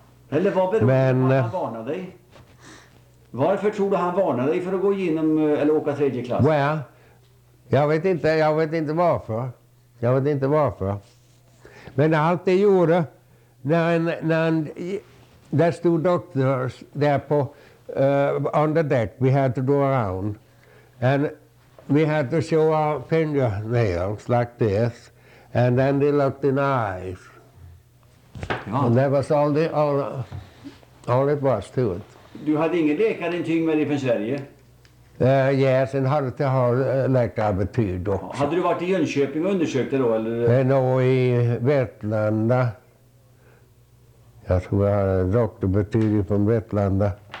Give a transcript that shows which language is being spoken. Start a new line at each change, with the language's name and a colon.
Swedish: Eller vad beror men, på att han varnade dig? Varför tror du han varnade dig för att gå igenom eller åka tredje klass?
English: Well,
Swedish: jag vet inte varför. Jag vet inte varför. Men allt det gjorde när där stod doktors där på
English: on the deck. We had to go around. And we had to show our fingernails like this. And then they looked in the eyes. And that was all it was to it.
Swedish: Du hade ingen läkarintyg med dig från Sverige?
English: Yes, and hade to have
Swedish: läkarbetyg också. Hade du varit i Jönköping och undersökt det då? Eller? No, i Vetlanda. Jag tror jag hade doktorbetyg från Vetlanda.